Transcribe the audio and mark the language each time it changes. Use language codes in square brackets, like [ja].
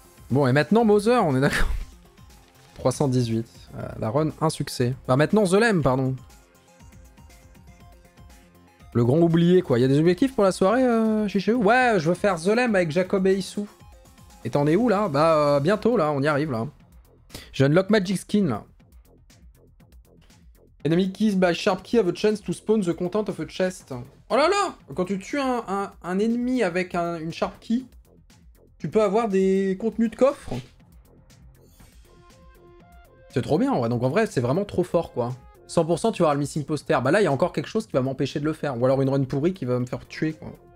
[fr] Bon, et maintenant, Mother, on est d'accord. 318. La run, un succès. Bah maintenant, The Lem, pardon. Le grand oublié, quoi. Il y a des objectifs pour la soirée, Chichéou? Ouais, je veux faire The Lem avec Jacob et Issou. Et t'en es où, là? Bah, bientôt, là. On y arrive, là. J'ai unlock Magic Skin, là. [en] Enemy keys by Sharp Key have a chance to spawn the content of a chest. [fr] Oh là là! Quand tu tues un ennemi avec une Sharp Key, tu peux avoir des contenus de coffre. C'est trop bien, ouais. Donc en vrai, c'est vraiment trop fort, quoi. 100%, tu vas avoir le missing poster. Bah là, il y a encore quelque chose qui va m'empêcher de le faire. Ou alors une run pourrie qui va me faire tuer, quoi.